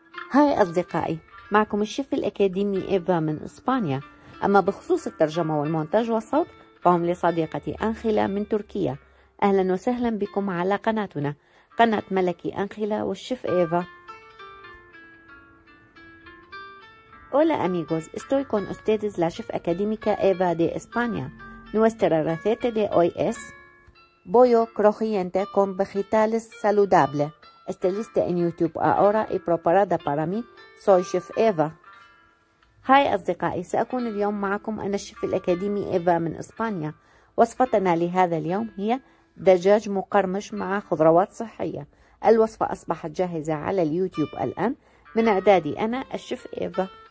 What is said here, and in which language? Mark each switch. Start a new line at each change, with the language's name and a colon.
Arabic: هاي أصدقائي، معكم الشيف الأكاديمي إيفا من إسبانيا. أما بخصوص الترجمة والمونتاج والصوت فهم لصديقتي أنخيلا من تركيا. أهلا وسهلا بكم على قناتنا، قناة ملكي أنخيلا والشيف إيفا.
Spanish: Hola amigos, estoy con ustedes la chef académica Eva de España. Nuestra receta de hoy es pollo crujiente con vegetales saludable. Está lista en YouTube ahora y preparada para mí. Soy chef Eva.
Arabic: Hi أصدقائي، سأكون اليوم معكم أنا الشيف الأكاديمي إيفا من إسبانيا. وصفتنا لهذا اليوم هي دجاج مقرمش مع خضروات صحية. الوصفة أصبحت جاهزة على اليوتيوب الآن من إعدادي أنا الشيف إيفا.